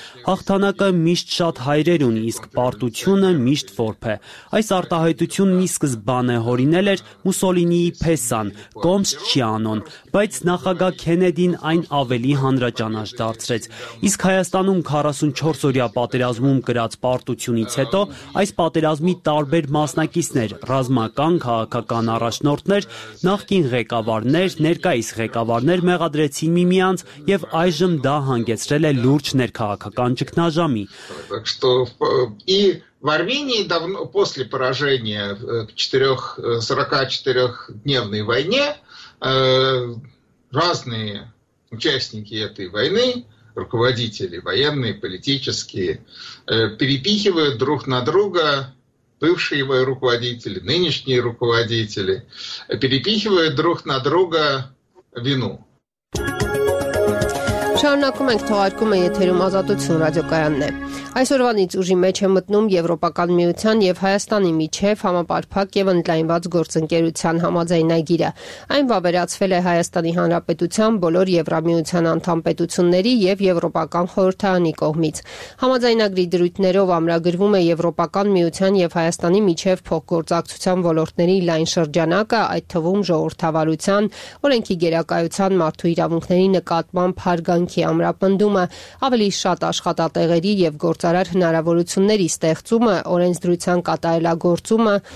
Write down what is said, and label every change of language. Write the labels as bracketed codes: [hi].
[hy] հաղթանակը միշտ շատ հայրեր ունի, իսկ պարտությունը միշտ որբ է։ Այս արտահայտությունն ի սկզբան է հորինել էր Մուսոլինիի փեսան, Կոմսչիանոն, բայց նախագահ Քենեդին այն ավելի հանրաճանաչ դարձրեց։ Իսկ Հայաստանում 44-օրյա պատերազմում կրած պարտությունից հետո այս պատերազմի տարբեր մասնակիցներ, ռազմական, քաղաքական առաջնորդներ, նախկին ղեկավարներ, ներկայիս ղեկավարներ մեղադրեցին միմյանց և այժմ դա հանգեցրել է լուրջ ներքաղաքական ճգնաժամի։ [ru] В Армении давно после поражения в 44-дневной войне разные участники этой войны, руководители военные, политические, перепихивают друг на друга бывшие руководители, нынешние руководители, перепихивают друг на друга вину. [hy] Շարունակում ենք թողարկում են եթերում Ազատություն ռադիոկայանն է։ Այսօրվանից ուժի մեջ է մտնում Եվրոպական միության և Հայաստանի միջև համապարփակ և ընդլայնված գործընկերության համաձայնագիրը։ Այն վավերացվել է Հայաստանի Հանրապետության բոլոր Եվրամիության անդամ պետությունների և Եվրոպական խորհրդարանի կողմից։ Համաձայնագրի դրույթներով ամրագրվում է Եվրոպական միության և Հայաստանի միջև փոխգործակցության ոլորտների լայն շրջանակը, այդ թվում ժողովրդավարության, օրենքի գերակայության, մարդու իրավունքների նկատմամբ հարգանքի ամրապնդումը, ավելի շատ աշխատատեղերի և գործարար հնարավորությունների ստեղծումը, օրենսդրության կատարելագործումը,